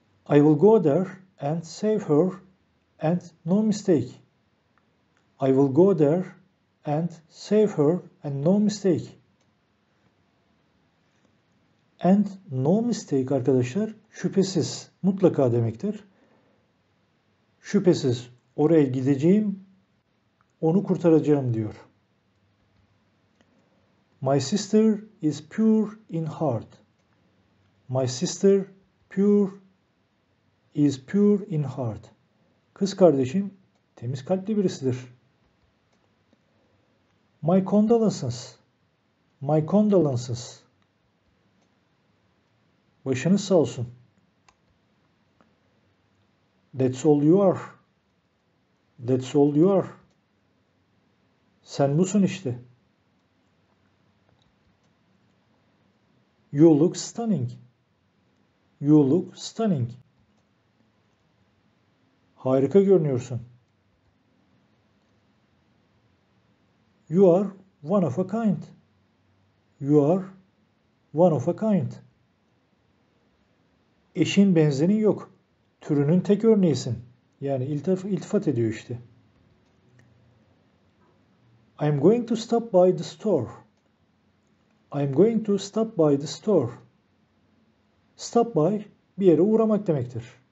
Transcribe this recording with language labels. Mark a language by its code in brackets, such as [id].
[en] I will go there and save her and no mistake. I will go there and save her and no mistake. And no mistake [tr] arkadaşlar, şüphesiz, mutlaka demektir. Şüphesiz oraya gideceğim, onu kurtaracağım diyor. [en] My sister is pure in heart. My sister pure is pure in heart. [tr] Kız kardeşim temiz kalpli birisidir. [en] My condolences. My condolences. [tr] Başınız sağ olsun. [en] That's all you are. That's all you are. [tr] Sen busun işte. [en] You look stunning. You look stunning. [tr] Harika görünüyorsun. [en] You are one of a kind. You are one of a kind. [tr] Eşin benzerin yok. Türünün tek örneğisin. Yani iltifat ediyor işte. [en] I'm going to stop by the store. I'm going to stop by the store. [tr] Stop by bir yere uğramak demektir.